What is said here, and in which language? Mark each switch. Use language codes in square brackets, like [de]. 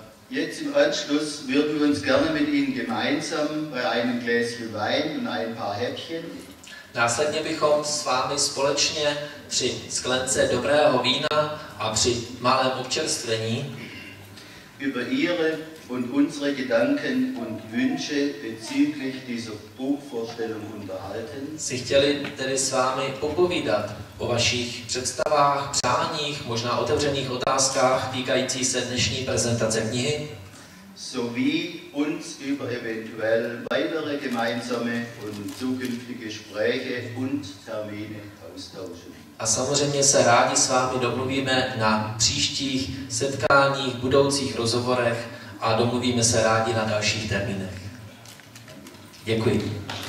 [de] Jetzt im Anschluss würden wir uns gerne mit Ihnen gemeinsam bei einem Gläschen Wein und ein paar Häppchen. [cs] Následně bychom s vámi společně při sklence dobrého vína a při malém občerstvení [de] über Ihre und unsere Gedanken und Wünsche bezüglich dieser Buchvorstellung unterhalten. [cs] Si chtěli tedy s vámi popovídat o vašich představách, přáních, možná otevřených otázkách týkající se dnešní prezentace knihy. [de] Sowie uns über eventuell weitere gemeinsame und zukünftige Gespräche und Termine austauschen. [cs] A samozřejmě se rádi s vámi domluvíme na příštích setkáních, budoucích rozhovorech a domluvíme se rádi na dalších termínech. Děkuji.